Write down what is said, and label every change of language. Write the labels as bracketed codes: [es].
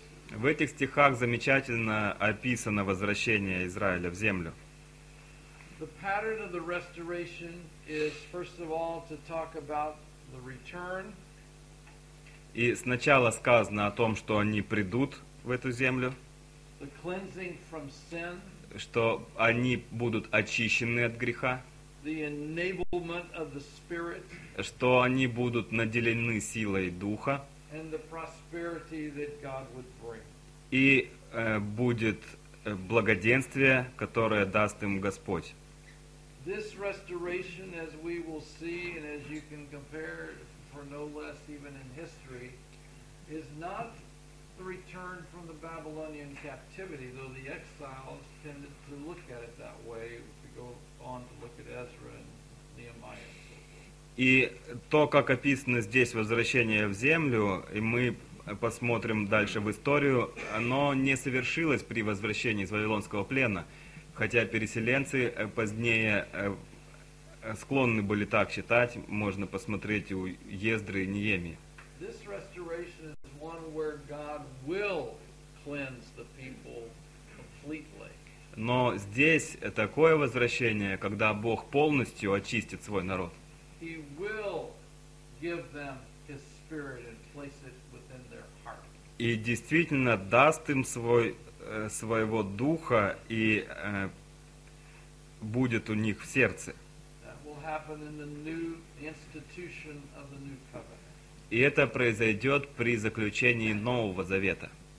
[ru] В этих стихах замечательно описано возвращение Израиля в землю. [en] The pattern of the restoration is, first of all, to talk about the return. [ru] И сначала сказано о том, что они придут в эту землю. [en] The cleansing from sin, [ru] что они будут очищены от греха, [en] the enablement of the Spirit, [ru] что они будут наделены силой Духа, [en] and the prosperity that God would bring. [ru] И будет благоденствие, которое даст им Господь. [en] This restoration, as we will see, and as you can compare for no less even in history, is not the return from the Babylonian captivity, though the exiles tended to look at it that way, if we go on to look at Ezra and Nehemiah. And so forth. [ru] И то, как описано здесь возвращение в землю, и мы посмотрим дальше в историю, оно не совершилось при возвращении из Вавилонского плена, хотя переселенцы позднее склонны были так считать, можно посмотреть у Ездры и Неемии. [en] This restoration is one where God will cleanse the people completely. [ru] Но здесь такое возвращение, когда Бог полностью очистит свой народ. [en] He will give them his spirit and place it within their heart. [ru] И действительно даст им своего духа и будет у них в сердце. [en] That will happen in the new institution of the new covenant. [ru] И это произойдет при заключении Нового Завета.